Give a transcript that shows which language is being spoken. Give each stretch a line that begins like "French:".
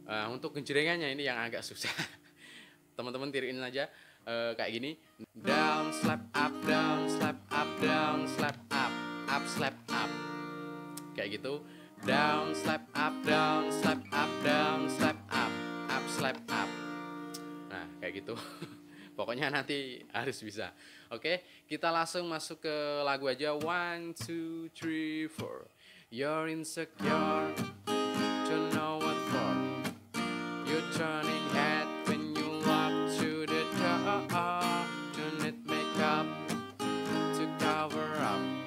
Indonesian: Untuk kejeringannya ini yang agak susah. Teman-teman tiruin aja, kayak gini.
English: Down, slap, up, down, slap, up, down, slap, up, up, slap, up.
Indonesian: Kayak gitu.
English: Down, slap, up, down, slap, up, down, slap, up, up, slap, up.
Indonesian: Nah, kayak gitu. Pokoknya nanti harus bisa. Oke, kita langsung masuk ke lagu aja. 1, 2, 3, 4.
English: You're insecure, don't know what for. You're turning head when you walk to the door. Don't need makeup to cover up.